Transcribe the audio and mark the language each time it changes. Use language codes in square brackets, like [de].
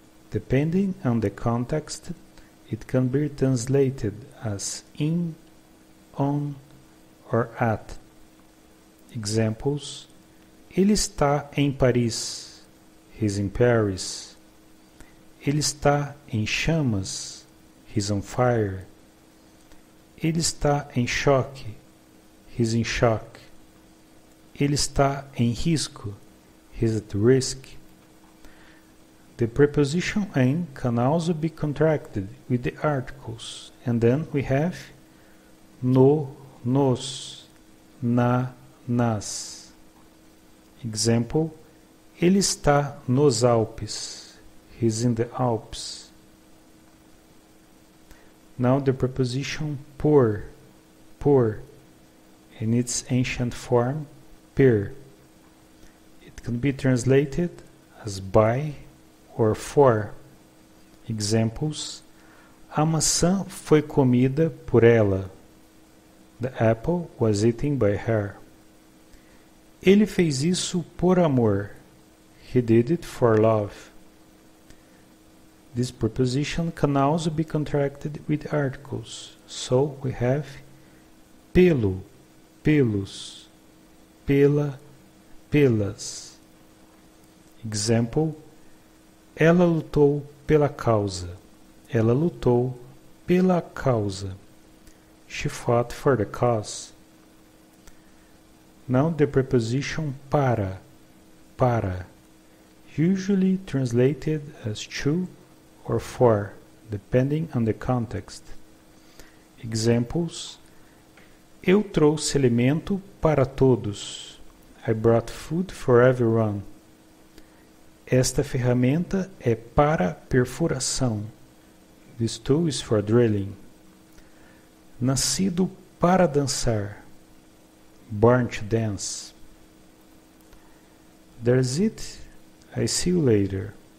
[en] Depending on the context, it can be translated as in, on, or at. [pt] Examples, ele está em Paris. [en] He's in Paris. [pt] Ele está em chamas. [en] He's on fire. [pt] Ele está em choque. [en] He's in shock. [pt] Ele está em risco. [en] He's at risk. The preposition em can also be contracted with the articles. And then we have no, nos, na, nas. [pt] Example, ele está nos Alpes. [en] He's in the Alps. Now the preposition por. por. In its ancient form, per. It can be translated as by or for. [pt] Examples: a maçã foi comida por ela. [en] The apple was eaten by her. [pt] Ele fez isso por amor. [en] He did it for love. This preposition can also be contracted with articles. So we have pelo, pelos, pela, pelas. [pt] Example: ela lutou pela causa. Ela lutou pela causa. [en] She fought for the cause. Now the preposition para, para. Usually translated as to or for, depending on the context. [pt] Examples: eu trouxe alimento para todos. [en] I brought food for everyone. [pt] Esta ferramenta é para perfuração. [en] This tool is for drilling. [pt] Nascido para dançar. [en] Born to dance. That's it. I see you later.